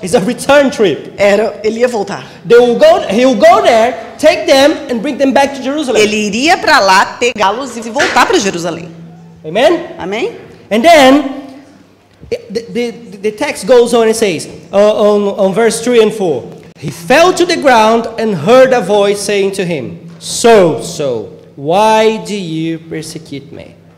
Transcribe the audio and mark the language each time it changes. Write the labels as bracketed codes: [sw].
[en] It's a return trip. [pt] Era, ele ia voltar. [en] They will go, he'll go there, take them and bring them back to Jerusalem. [pt] Ele iria para lá pegá-los e voltar para Jerusalém. [en] Amen? [pt] Amém? [en] And then the text goes on and says on verse 3 and 4. He fell to the ground and heard a voice saying to him, "So, why do you persecute me?"